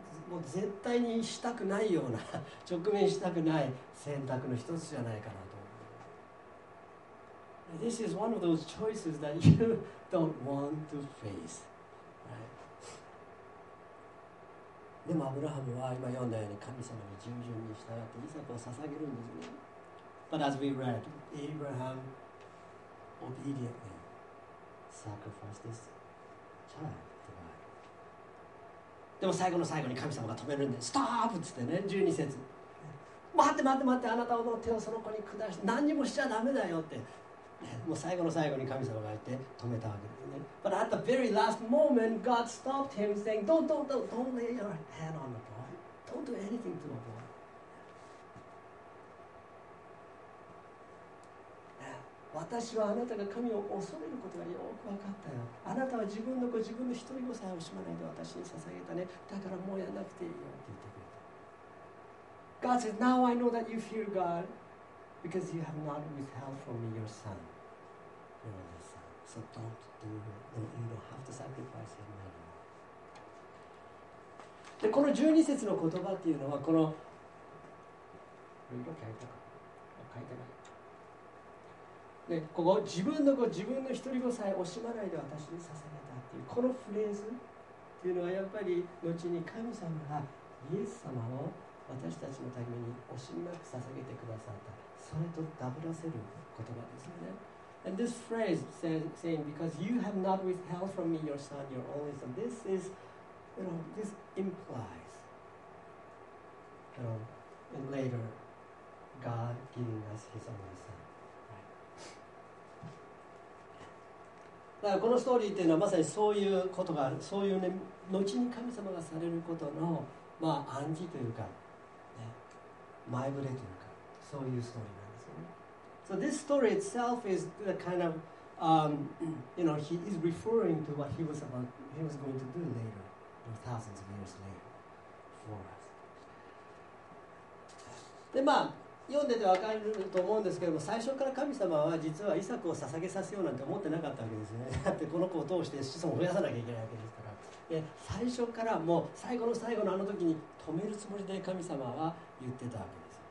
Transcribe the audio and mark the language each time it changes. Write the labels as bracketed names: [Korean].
[Japanese] もう絶対にしたくないような、直面したくない選択の一つじゃないかなと。 [English] This is one of those choices that you don't want to face.、Right? [Japanese] でもアブラハムは今読んだように神様に従順に従ってイサクを捧げるんですね。 [English] But as we read, Abraham obediently sacrificed his child. [Japanese] でも最後の最後に神様が止めるんで、ストップっつってね、12節。待って待って待って、あなたの手をその子に下して、何にもしちゃダメだよって。もう最後の最後に神様が言って止めたわけですね。 [English] But at the very last moment, God stopped him saying, don't lay your hand on the boy. Don't do anything to the boy. Yeah. [Japanese] 私はあなたが神を恐れることがよく分かったよ。あなたは自分の子、自分の一人子さえ惜しまないで私に捧げたね。だからもうやらなくていいよって言ってくれた。 [English] God says, now I know that you fear God because you have not withheld from me your son. Your only son. So don't do it. You don't have to sacrifice him anymore. [Japanese] で、この12節の言葉っていうのはこの色書いたか書いてない。で、ここ自分の子、自分の一人子さえ惜しまないで私に捧げたっていうこのフレーズっていうのはやっぱり後に神様がイエス様を私たちのために惜しみなく捧げてくださったそれとダブらせる言葉ですよね。 [English] And this phrase saying because you have not withheld from me your son, your only son, this is, you know, this implies, you know, and later God giving us his only son。 [Japanese] だからこのストーリーっていうのはまさにそういうことがそういうね後に神様がされることのまあ暗示というか、ね、前触れというかそういうストーリーなんですよね。 [English] So this story itself is the kind of you know he is referring to what he was going to do later, thousands of years later for us。 [Japanese] でまあ読んでて分かると思うんですけども最初から神様は実はイサクを捧げさせようなんて思ってなかったわけですね。だってこの子を通して子孫を増やさなきゃいけないわけですから、で最初からもう最後の最後のあの時に止めるつもりで神様は言ってたわけです。